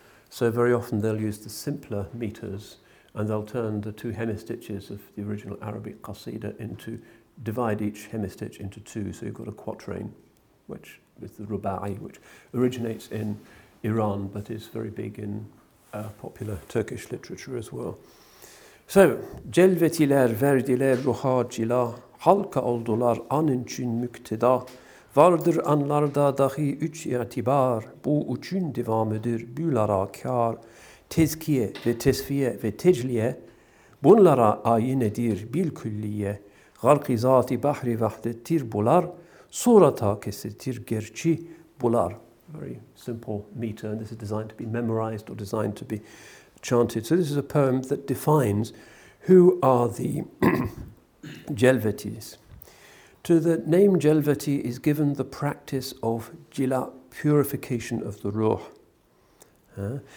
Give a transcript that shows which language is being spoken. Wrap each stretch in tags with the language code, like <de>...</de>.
<en>So very often they'll use the simpler meters and they'll turn the two hemistiches of the original Arabic Qasida into, divide each hemistich into two. So you've got a quatrain, which is the Ruba'i, which originates in Iran but is very big in popular Turkish literature as well.</en> <tr>So, Celvetiler verdiler ruha cila, halka oldular anın için müktida, vardır anlarda dahi üç itibar, bu üçün devamıdır bülara kâr, tezkiye ve tesfiye ve tecliye, bunlara ayinedir bil külliye, gârk-ı zât-ı bahri vahdettir bular, surata kesettir gerçi bular.</tr> <en>Very simple meter, and this is designed to be memorized or designed to be chanted. So this is a poem that defines who are the Jalwatis. To the name Jalwati is given the practice of jila, purification of the ruh.</en>